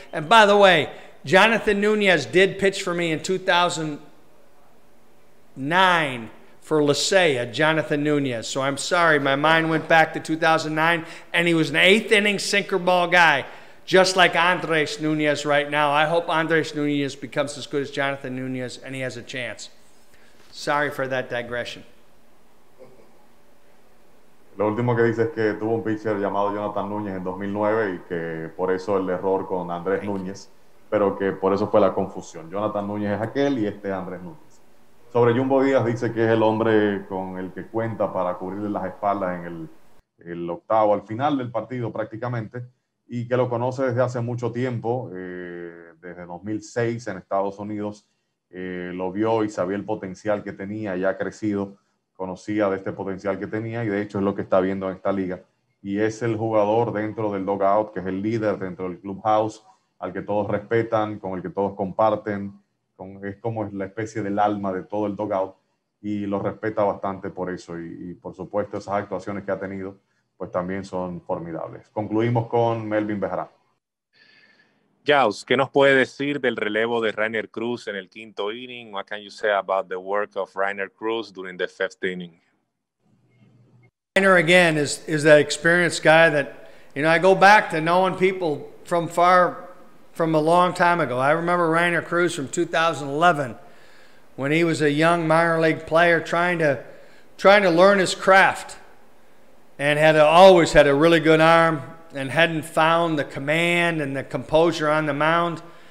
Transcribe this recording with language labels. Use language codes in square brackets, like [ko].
[en] And by the way, Jonathan Nunez did pitch for me in 2009 for Licea, Jonathan Nunez. So I'm sorry, my mind went back to 2009, and he was an 8th inning sinker ball guy, just like Andrés Nunez right now. I hope Andrés Nunez becomes as good as Jonathan Nunez, and he has a chance. Sorry for that digression. [es] Lo último que dice es que tuvo un pitcher llamado Jonathan Núñez en 2009 y que por eso el error con Andrés Núñez, pero que por eso fue la confusión. Jonathan Núñez es aquel y este es Andrés Núñez. Sobre Jumbo Díaz, dice que es el hombre con el que cuenta para cubrirle las espaldas en el octavo, al final del partido prácticamente, y que lo conoce desde hace mucho tiempo, desde 2006 en Estados Unidos, lo vio y sabía el potencial que tenía, ya ha crecido, conocía de este potencial que tenía, y de hecho es lo que está viendo en esta liga. Y es el jugador dentro del dugout, que es el líder dentro del clubhouse, al que todos respetan, con el que todos comparten, es como la especie del alma de todo el dugout, y lo respeta bastante por eso, y por supuesto esas actuaciones que ha tenido, pues también son formidables. Concluimos con Melvin Bejarán. Jaus, ¿qué nos puede decir del relevo de Rainer Cruz en el quinto inning? [en] What can you say about the work of Rainer Cruz during the fifth inning? Rainer again is that experienced guy that, you know, I go back to knowing people from far, from a long time ago. I remember Rainer Cruz from 2011 when he was a young minor league player trying to learn his craft, and had always had a really good arm and hadn't found the command and the composure on the mound.